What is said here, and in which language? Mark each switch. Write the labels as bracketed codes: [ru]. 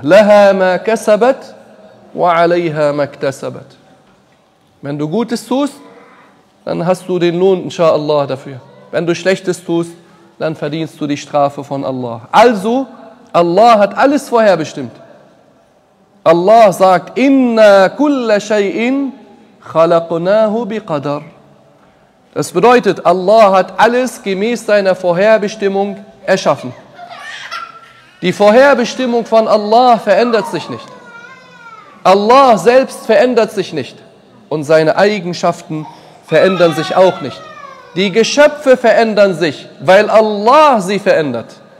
[ar] لَهَا مَا كَسَبَتْ وَعَلَيْهَا مَا اكْتَسَبَتْ. [de] Wenn du Gutes tust, dann hast du den Lohn, inshallah, dafür. Wenn du Schlechtes tust, dann verdienst du die Strafe von Allah. Also, Allah hat alles vorherbestimmt. Allah sagt, [ar] إِنَّا كُلَّ شَيْءٍ خَلَقْنَاهُ بِقَدَرٍ. [de] Das bedeutet, Allah hat alles gemäß seiner Vorherbestimmung erschaffen. Die Vorherbestimmung von Allah verändert sich nicht. Allah selbst verändert sich nicht. Und seine Eigenschaften verändern sich auch nicht. Die Geschöpfe verändern sich, weil Allah sie verändert.